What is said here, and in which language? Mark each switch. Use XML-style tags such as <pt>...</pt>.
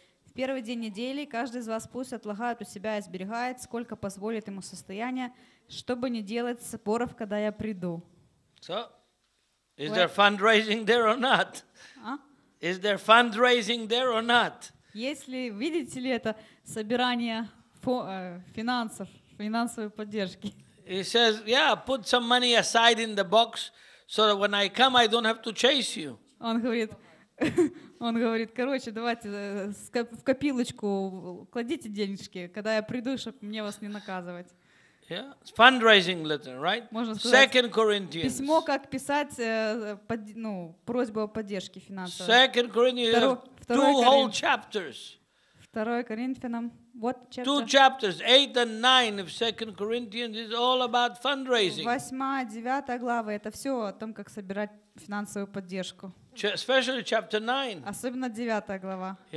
<ru>В первый день недели каждый из вас пусть отлагает у себя и сберегает, сколько позволит ему состояние, чтобы не делать споров, когда я приду.</ru> <en>So, is there fundraising there or not? Is there fundraising there or not?</en> <ru>Если видите ли это собирание финансов, финансовой поддержки.</ru> <en>He says, yeah, put some money aside in the box, so that when I come, I don't have to chase you.</en> <ru>Он говорит. Он говорит, короче, давайте в копилочку кладите денежки, когда я приду, чтобы мне вас не наказывать.</ru> <en>Yeah, fundraising letter, right?</en> <ru>Можно сказать.</ru> <en>Second Corinthians.</en> <ru>Письмо, как писать, ну, просьба о поддержке финансовой.</ru> <en>Second Corinthians. Two whole chapters.</en> <ru>Второе Коринфянам.</ru> <en>What chapter? Two chapters, 8 and 9 of Second Corinthians is all about fundraising.</en> <ru>Восьмая, девятая главы — это все о том, как собирать финансовую поддержку.</ru> <en>Especially chapter 9.</en> <ru>Особенно девятая глава.</ru>